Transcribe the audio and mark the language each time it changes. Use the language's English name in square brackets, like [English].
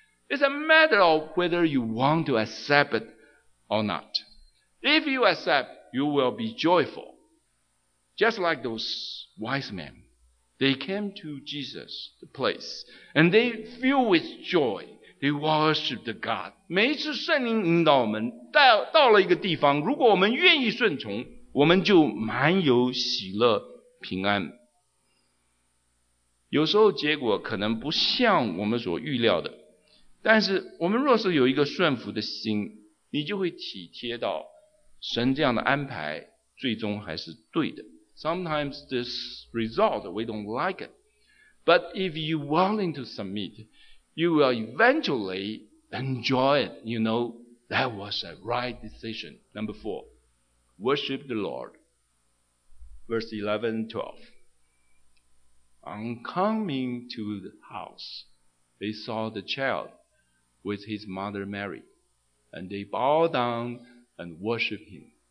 [English] It's a matter of whether you want to accept it or not. If you accept, you will be joyful. Just like those wise men. They came to Jesus, the place, and they filled with joy. They worshiped the God. [Chinese] 每一次圣灵引导我们到了一个地方，如果我们愿意顺从，我们就满有喜乐平安。有时候结果可能不像我们所预料的，但是我们若是有一个顺服的心，你就会体贴到神这样的安排最终还是对的。 [English] Sometimes this result, we don't like it. But if you're willing to submit, you will eventually enjoy it. You know, that was a right decision. Number four, worship the Lord. Verse 11 and 12. On coming to the house, they saw the child with his mother Mary, and they bowed down and worshiped him.